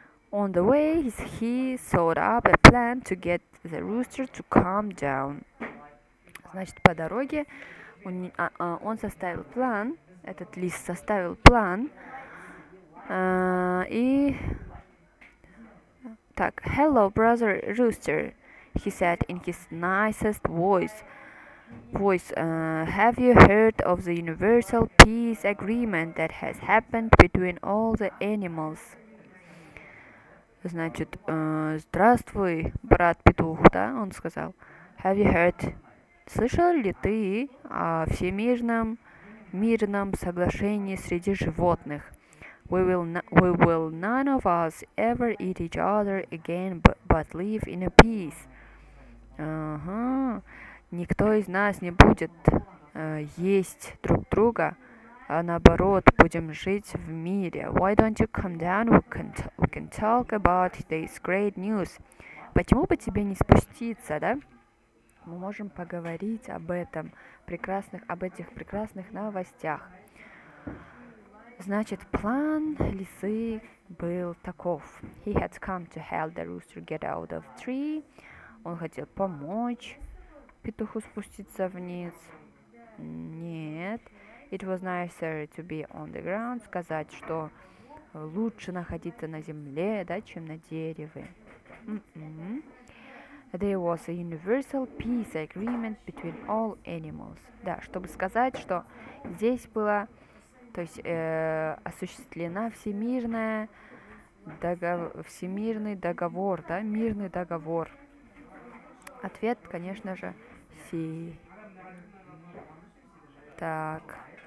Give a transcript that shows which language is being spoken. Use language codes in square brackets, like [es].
[en] On the way, he thought up a plan to get the rooster to calm down. [ru] Значит, по дороге он составил план, этот лис составил план, и... [en] Так, hello, brother rooster, he said in his nicest voice. Voice, have you heard of the universal peace agreement that has happened between all the animals? [ru] Значит, здравствуй, брат петух, да, он сказал. [en] Have you heard? [ru] Слышал ли ты о всемирном мирном соглашении среди животных? [en] We will none of us ever eat each other again, but live in a peace. [ru] Никто из нас не будет есть друг друга, а наоборот, будем жить в мире. [en] Why don't you come down? We can talk about this great news. [ru] Почему бы тебе не спуститься, да? Мы можем поговорить об этом, об этих прекрасных новостях. Значит, план лисы был таков. [en] He had come to help the rooster get out of tree. [ru] Он хотел помочь петуху спуститься вниз. Нет. [en] It was nicer to be on the ground. [ru] Сказать, что лучше находиться на земле, да, чем на дереве. [en] There was a universal peace agreement between all animals. [ru] Да, чтобы сказать, что здесь была, то есть осуществлена всемирный договор, да, мирный договор. Ответ, конечно же, так.